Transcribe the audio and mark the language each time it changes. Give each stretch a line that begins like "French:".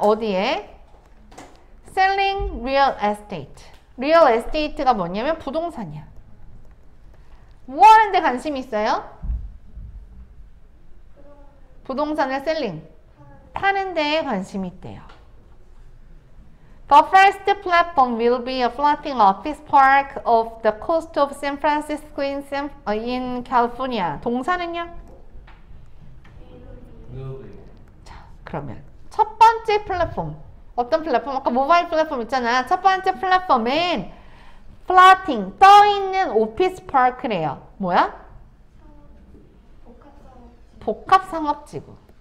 Korean: 어디에?
English: Selling real estate.
Korean: Real estate가 뭐냐면 부동산이야. 뭐 하는데 관심이 있어요? 부동산을 selling. 파는 데에 관심이 있대요.
English: The first platform will be a floating office park off the coast of San Francisco in California.
Korean: 동산은요? 그러면 첫 번째 플랫폼, 어떤 플랫폼? 아까 모바일 플랫폼 있잖아. 첫 번째 플랫폼은 플라팅, 떠있는 오피스 파크래요. 뭐야? 복합상업지구.